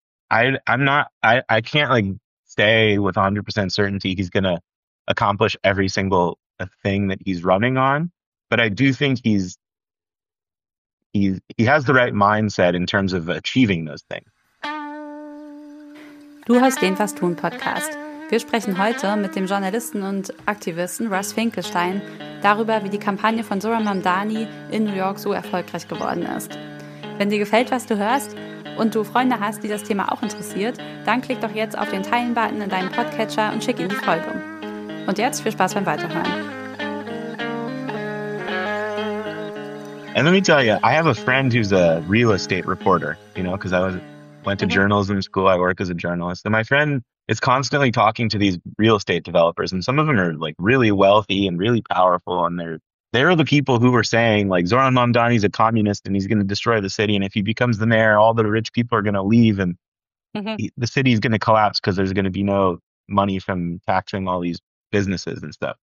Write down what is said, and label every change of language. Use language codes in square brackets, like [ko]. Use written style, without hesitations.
[en] I can't like say with 100% certainty he's going to accomplish every single thing that he's running on, but I do think he has the right mindset in terms of achieving those things. [de] Du hörst den Was tun Podcast. Wir sprechen heute mit dem Journalisten und Aktivisten Russ Finkelstein darüber, wie die Kampagne von Zora Mamdani in New York so erfolgreich geworden ist. Wenn dir gefällt, was du hörst und du Freunde hast, die das Thema auch interessiert, dann klick doch jetzt auf den Teilen-Button in deinem Podcatcher und schick ihm die Folge. Und jetzt viel Spaß beim Weiterhören. [en] And let me tell you, I have a friend who's a real estate reporter, you know, because I went to journalism school. I work as a journalist. And my friend is constantly talking to these real estate developers. And some of them are like really wealthy and really powerful. And they're the people who were saying like Zoran Mamdani's a communist and he's going to destroy the city. And if he becomes the mayor, all the rich people are going to leave and the city's going to collapse because there's going to be no money from taxing all these businesses and stuff.